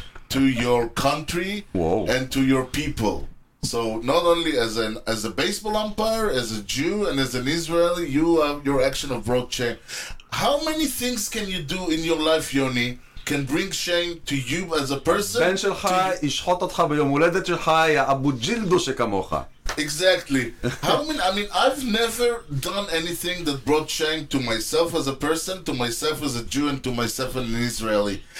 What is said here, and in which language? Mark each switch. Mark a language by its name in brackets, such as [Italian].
[English] to your country and to your people. So not only as an as a baseball umpire, as a Jew, and as an Israeli, you have your action of broke chain. How many things can you do in your life, Yoni, can bring shame to you as a person? [Hebrew] בן שלך ישחוט אותך ביום הולדת שלך, יא אבו ג'ילדו שכמוך. [English] Exactly. How many, I mean, I've never done anything that brought shame to myself as a person, to myself as a Jew, and to myself as an Israeli.